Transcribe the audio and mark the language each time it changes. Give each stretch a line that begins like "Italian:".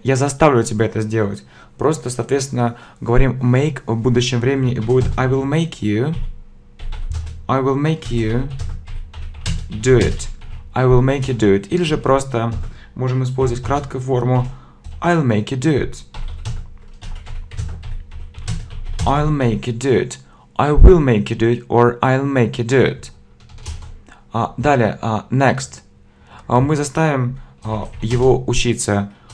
Russian: Я заставлю тебя это сделать. Просто, соответственно, говорим make в будущем времени и будет
English: I will make you. I will make you do it. I will make you do it.
Russian: Или же просто можем использовать краткую форму
English: I'll make you do it. I'll make you do it. I will make you do it or I'll make you do it.
Russian: Далее, next. Мы заставим его учиться.